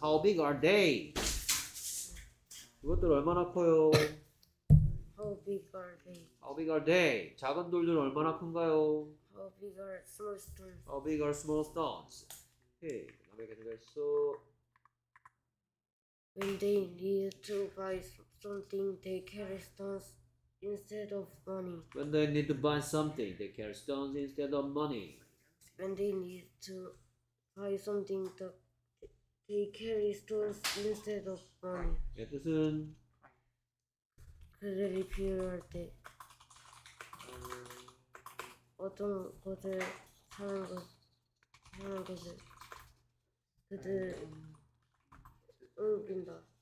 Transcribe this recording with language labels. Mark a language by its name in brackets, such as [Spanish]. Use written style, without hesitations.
[English] How big are they? [Korean] 이것들 얼마나 커요? [English] How big are they? How big are they? [Korean] 작은 돌들 얼마나 큰가요? [English] How big are small stones? How big are small stones? [Korean] 오케이, 그 다음에 계속 했어. [English] When they need to buy something, they carry stones instead of money. When they need to buy something, they carry stones instead of money. When they need to buy something, they carry stones instead of money. [Korean] 예, 뜻은? 그들이 필요할 때 어떤 것을 사는 것, 사는 것을 그들 옮긴다.